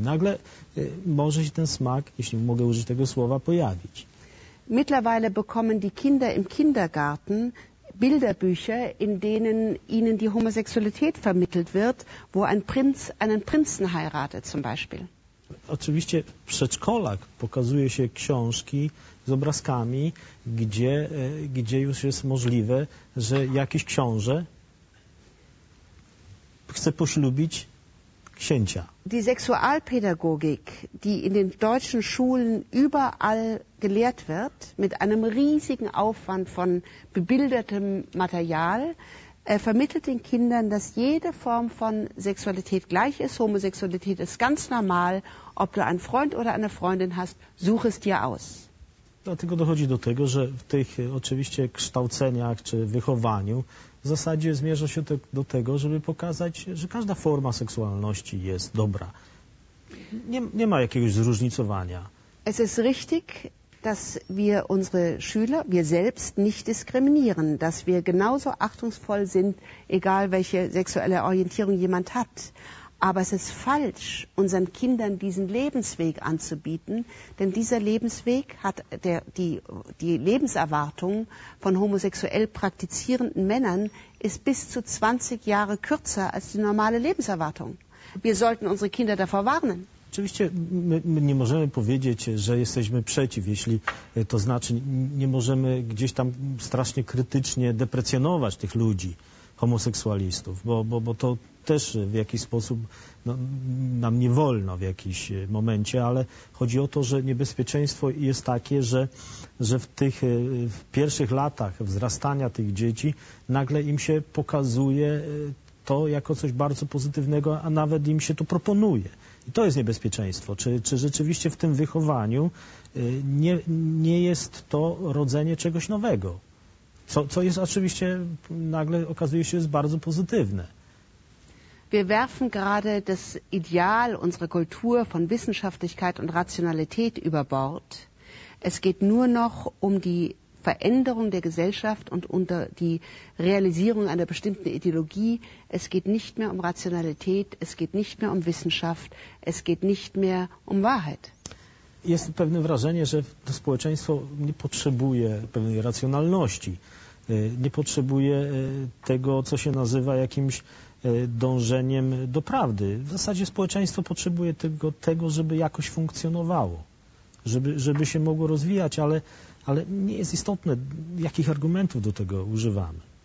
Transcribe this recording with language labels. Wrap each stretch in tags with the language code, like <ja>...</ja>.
<pl>Nagle może się ten smak, jeśli mogę użyć tego słowa, pojawić.</pl> <de>Mittlerweile bekommen die Kinder im Kindergarten Bilderbücher, in denen ihnen die Homosexualität vermittelt wird, wo ein Prinz einen Prinzen heiratet zum Beispiel.</de> <pl>Oczywiście przedszkolak pokazuje się książki z obrazkami, gdzie już jest możliwe, że jakiś książę chce poślubić księcia.</pl> <de>Die Sexualpädagogik, die in den deutschen Schulen überall gelehrt wird, mit einem riesigen Aufwand von bebildertem Material, vermittelt den Kindern, dass jede Form von Sexualität gleich ist. Homosexualität ist ganz normal. Ob du einen Freund oder eine Freundin hast, such es dir aus.</de> <pl>Dlatego dochodzi do tego, że w tych oczywiście kształceniach czy wychowaniu w zasadzie zmierza się do tego, żeby pokazać, że każda forma seksualności jest dobra. Nie ma jakiegoś zróżnicowania.</pl> <de>Es ist richtig, dass wir unsere Schüler, wir selbst nicht diskriminieren, dass wir genauso achtungsvoll sind, egal welche sexuelle Orientierung jemand hat. Aber es ist falsch, unseren Kindern diesen Lebensweg anzubieten, denn dieser Lebensweg hat die Lebenserwartung von homosexuell praktizierenden Männern ist bis zu 20 Jahre kürzer als die normale Lebenserwartung. Wir sollten unsere Kinder davor warnen.</de> <pl>Oczywiście my nie możemy powiedzieć, że jesteśmy przeciw, jeśli to znaczy nie możemy gdzieś tam strasznie krytycznie deprecjonować tych ludzi, homoseksualistów, bo to też w jakiś sposób nam nie wolno w jakimś momencie, ale chodzi o to, że niebezpieczeństwo jest takie, że w tych w pierwszych latach wzrastania tych dzieci nagle im się pokazuje to jako coś bardzo pozytywnego, a nawet im się to proponuje. I to jest niebezpieczeństwo. Czy rzeczywiście w tym wychowaniu nie jest to rodzenie czegoś nowego? Co jest oczywiście, nagle okazuje się, jest bardzo pozytywne.</pl> <de>Wir werfen gerade das Ideal unserer Kultur von Wissenschaftlichkeit und Rationalität über Bord. Es geht nur noch um die Veränderung der Gesellschaft und unter die Realisierung einer bestimmten Ideologie. Es geht nicht mehr um Rationalität, es geht nicht mehr um Wissenschaft, es geht nicht mehr um Wahrheit.</de> <pl>Jest pewne wrażenie, że to społeczeństwo nie potrzebuje pewnej racjonalności. Nie potrzebuje tego, co się nazywa jakimś dążeniem do prawdy. W zasadzie społeczeństwo potrzebuje tego, żeby jakoś funkcjonowało, żeby się mogło rozwijać, ale nie jest istotne, jakich argumentów do tego używamy.</pl>